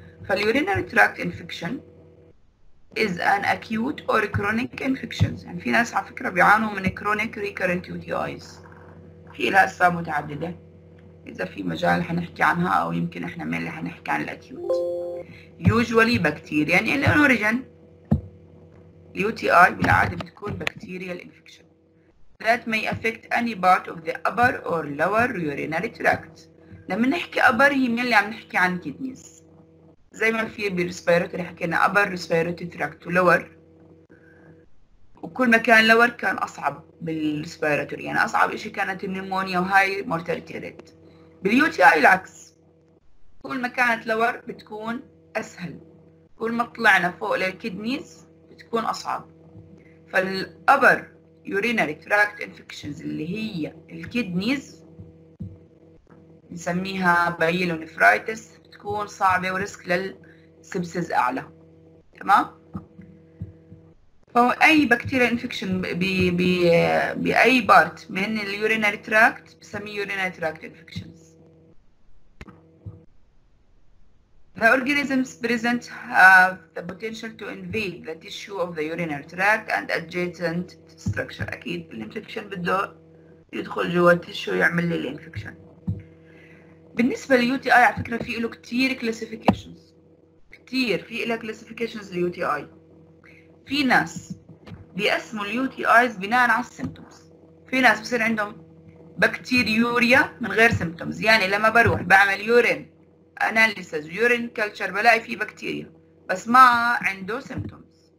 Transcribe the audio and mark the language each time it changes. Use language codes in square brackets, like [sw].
[ar] فاليورينري تراكت انفكشن از ان اكيوت اور كرونيك انفكشنز، يعني في ناس على فكره بيعانوا من كرونيك ريكيرنت يو تي ايز، في لها اسباب متعدده اذا في مجال حنحكي عنها او يمكن احنا من اللي حنحكي عن الاكيوت. يوجوالي بكتيريا يعني الاوريجن يو تي اي بالعاده بتكون بكتيريال انفكشن. [en] That may affect any part of the upper or lower urinary tract. [ar] لما نحكي upper هي من اللي عم نحكي عن kidneys. زي ما في بالrespiratory حكينا upper respiratory tract و lower. وكل ما كان lower كان أصعب بالrespiratory. يعني أصعب إشي كانت النمونيا و [en] high mortality rate. [ar] بالUTI العكس. كل ما كانت lower بتكون أسهل. كل ما طلعنا فوق للkidneys بتكون أصعب. فالupper urinary tract infections اللي هي الكيدنيز نسميها بايلونيفرايتس تكون صعبة وريسك للسبسز أعلى. تمام؟ فأي بكتيريا infection بأي بارت من urinary tract بسميه urinary tract infections. [en] The organisms present have the potential to invade the tissue of the urinary tract and adjacent structure. [ar] أكيد الانفكشن بده يدخل جوا التشو يعمل لي الانفكشن. بالنسبة لليو تي اي على فكرة في له كتير classifications، كتير في له classifications لليو تي اي. في ناس بيقسموا اليو تي ايز بناء على السيمتومز، في ناس بصير عندهم بكتيريوريا من غير سيمتومز، يعني لما بروح بعمل يورين اناليسز يورين كلتشر بلاقي فيه بكتيريا بس ما عنده سيمتومز.